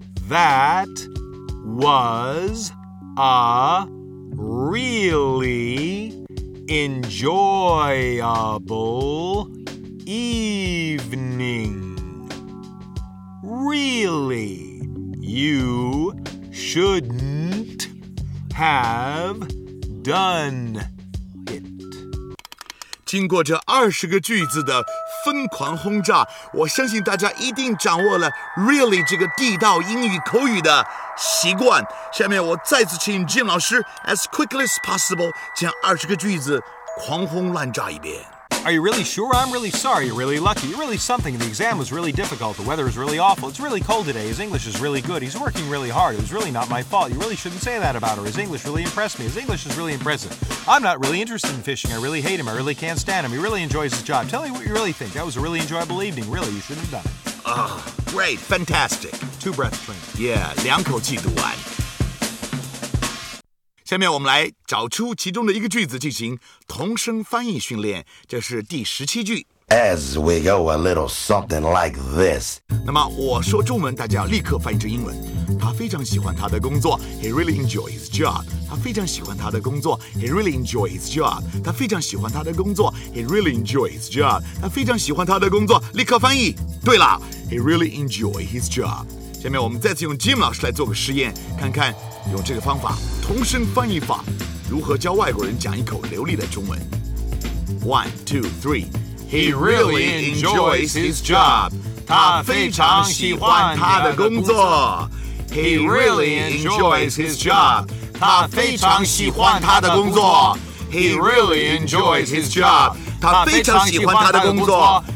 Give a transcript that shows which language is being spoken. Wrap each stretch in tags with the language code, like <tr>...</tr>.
<en>That was a really enjoyable evening. Really, you shouldn't have done it.</en> <zh>经过这20个句子的疯狂轰炸，我相信大家一定掌握了 really 这个地道英语口语的习惯。下面我再次请 Jim 老师</zh> <en>as quickly as possible</en> <zh>将20个句子狂轰滥炸一遍。</zh> <en>Are you really sure? I'm really sorry. You're really lucky. You're really something. The exam was really difficult. The weather is really awful. It's really cold today. His English is really good. He's working really hard. It was really not my fault. You really shouldn't say that about her. His English really impressed me. His English is really impressive. I'm not really interested in fishing. I really hate him. I really can't stand him. He really enjoys his job. Tell me what you really think. That was a really enjoyable evening. Really, you shouldn't have done it. Oh, great. Fantastic. 2 breath training. Yeah,</en> <zh>2口气读完。下面我们来找出其中的一个句子进行同声翻译训练，这是第17句。</zh> <en>As we go a little something like this.</en> <zh>那么我说中文，大家要立刻翻译成英文。他非常喜欢他的工作 ，</zh> <en>He really enjoys his job.</en> <zh>他非常喜欢他的工作 ，He really enjoys his job. 他非常喜欢他的工作 ，</zh> <en>He really enjoys his job.</en> <zh>他非常喜欢他的工作，立刻翻译。对了</zh> <en>，He really enjoys his job.</en> <zh>下面我们再次用 Jim 老师来做个实验，看看。用这个方法，同声翻译法，如何教外国人讲一口流利的中文 ？</zh> <en>1, 2, 3. He really enjoys his job.</en> <zh>他非常喜欢他的工作。</zh> <en>He really enjoys his job.</en> <zh>他非常喜欢他的工作。</zh> <en>He really enjoys his job.</en> <zh>他非常喜欢他的工作。</zh>